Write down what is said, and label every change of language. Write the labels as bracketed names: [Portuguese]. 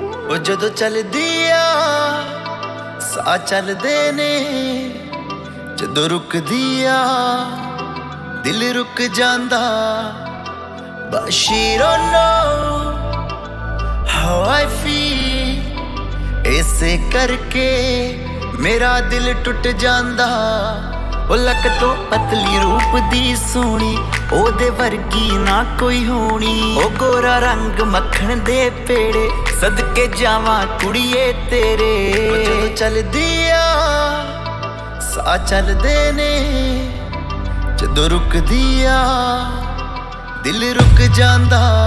[Punjabi] ਉਹ ਜਦੋਂ ਚੱਲਦੀ ਆ ਸਾਹ ਚੱਲਦੇ ਨੇ, ਜਦੋਂ ਰੁਕਦੀ ਆ ਦਿਲ ਰੁਕ ਜਾਂਦਾ। [English] But she don't know how I feel, [Punjabi] ਇਸੇ ਕਰਕੇ ਮੇਰਾ ਦਿਲ ਟੁੱਟ ਜਾਂਦਾ। ਉਹ ਲੱਕ ਤੋਂ ਪਤਲੀ ਰੂਪ ਦੀ ਸੋਹਣੀ, ਉਹਦੇ ਵਰਗੀ ਨਾ ਕੋਈ ਹੋਣੀ। ਉਹ ਗੋਰਾ ਰੰਗ ਮੱਖਣ ਦੇ ਪੇੜੇ, ਸਦਕੇ ਜਾਵਾਂ ਕੁੜੀਏ ਤੇਰੇ। ਜਦੋਂ ਚੱਲਦੀ ਆ ਸਾਹ ਚੱਲਦੇ ਨੇ, ਜਦੋਂ ਰੁਕਦੀ ਆ ਦਿਲ ਰੁਕ ਜਾਂਦਾ।